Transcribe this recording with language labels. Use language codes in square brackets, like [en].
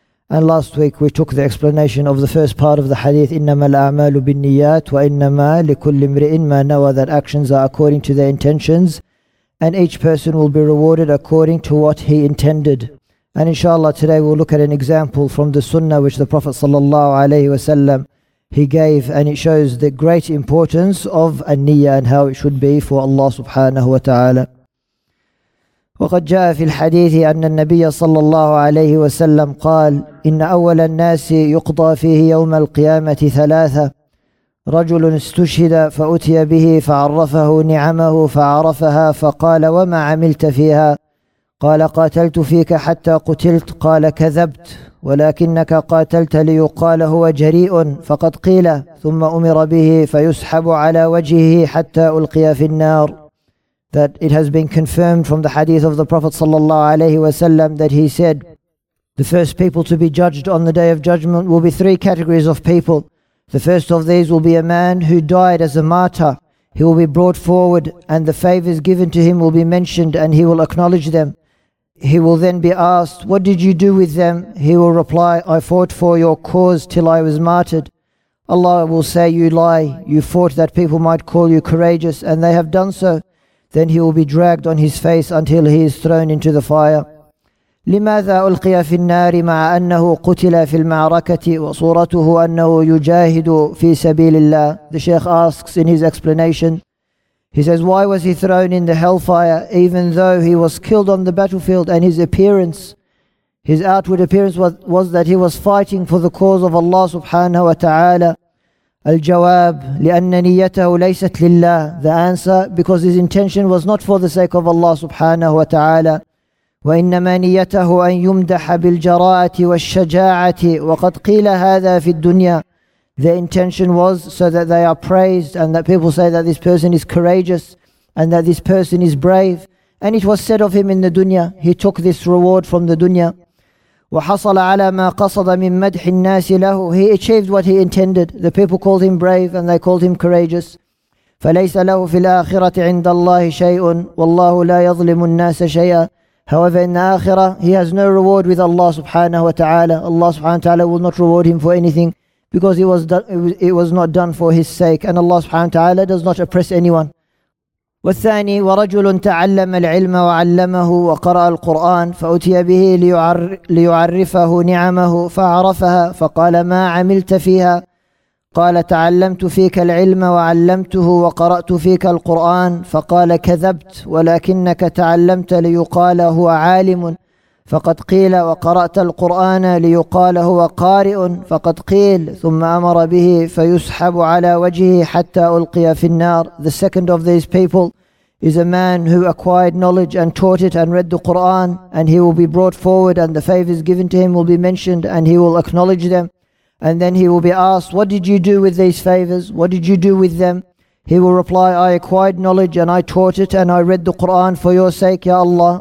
[en] And last week we took the explanation of the first part of the hadith, [ar] إِنَّمَا الْأَعْمَالُ بِالنِّيَّاتِ وَإِنَّمَا لِكُلِّ امْرِئٍ مَا نَوَى, [en] that actions are according to their intentions, and each person will be rewarded according to what he intended. And inshallah today we'll look at an example from the sunnah which the Prophet sallallahu alayhi wasallam he gave, and it shows the great importance of an-niyyah and how it should be for Allah subhanahu wa ta'ala. [ar] وقد جاء في الحديث أن النبي صلى الله عليه وسلم قال إن أول الناس يقضى فيه يوم القيامة ثلاثة رجل استشهد فأتي به فعرفه نعمه فعرفها فقال وما عملت فيها؟ قال قاتلت فيك حتى قتلت. قال كذبت, ولكنك قاتلت ليقال هو جريء فقد قيل, ثم أمر به فيسحب على وجهه حتى ألقي في النار. [en] That it has been confirmed from the hadith of the Prophet صلى الله عليه وسلم that he said, the first people to be judged on the day of judgment will be three categories of people. The first of these will be a man who died as a martyr. He will be brought forward and the favors given to him will be mentioned and he will acknowledge them. He will then be asked, what did you do with them? He will reply, I fought for your cause till I was martyred. Allah will say, you lie. You fought that people might call you courageous and they have done so. Then he will be dragged on his face until he is thrown into the fire. [ar] لماذا ألقي في النار مع أنه قتل في المعركة وصورته أنه يجاهد في سبيل الله? [en] The Sheikh asks in his explanation, he says, why was he thrown in the hellfire even though he was killed on the battlefield, and his outward appearance was that he was fighting for the cause of Allah subhanahu wa ta'ala? [ar] الجواب لأن نيته ليست لله. [en] The answer, because his intention was not for the sake of Allah subhanahu wa ta'ala. [ar] وإنما نيته أن يمدح بالجراءة والشجاعة وقد قيل هذا في الدنيا. [en] The intention was so that they are praised and that people say that this person is courageous and that this person is brave. And it was said of him in the dunya. He took this reward from the dunya. [ar] وحصل على ما قصد من مدح الناس له. [en] He achieved what he intended. The people called him brave and they called him courageous. [ar] فليس له في الآخرة عند الله شيء والله لا يظلم الناس شيئا. [en] However, in the Akhirah, he has no reward with Allah subhanahu wa ta'ala. Allah subhanahu wa ta'ala will not reward him for anything because it was not done for his sake. And Allah subhanahu wa ta'ala does not oppress anyone. [ar] وَالثَّانِي وَرَجُلٌ تَعَلَّمَ الْعِلْمَ وَعَلَّمَهُ وَقَرَأَ الْقُرْآنَ فَأُتِيَ بِهِ لِيُعَرِّفَهُ نِعَمَهُ فَعَرَفَهَا فَقَالَ مَا عَمِلْتَ فِيهَا? قال تعلمت فيك العلم وعلمته وقرأت فيك القرآن فقال كذبت ولكنك تعلمت ليقال هو عالم فقد قيل وقرأت القرآن ليقال هو قارئ فقد قيل ثم أمر به فيسحب على وجهه حتى ألقي في النار. [en] The second of these people is a man who acquired knowledge and taught it and read the Quran, and he will be brought forward and the favors given to him will be mentioned and he will acknowledge them. And then he will be asked, what did you do with these favors? What did you do with them? He will reply, I acquired knowledge and I taught it and I read the Quran for your sake, Ya Allah.